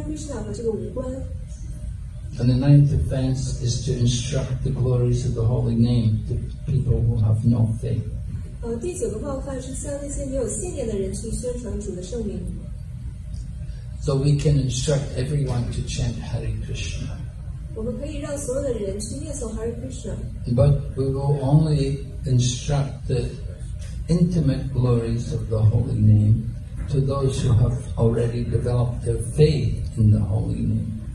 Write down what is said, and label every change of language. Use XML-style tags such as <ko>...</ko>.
<en>And the ninth offense is to instruct the glories of the holy name to people who have no faith.</en> <zh>第九个冒犯是向那些没有信念的人去宣传主的圣名。</zh> <en>So we can instruct everyone to chant Hare Krishna. But we will only instruct the intimate glories of the Holy Name to those who have already developed their faith in the Holy Name.</en>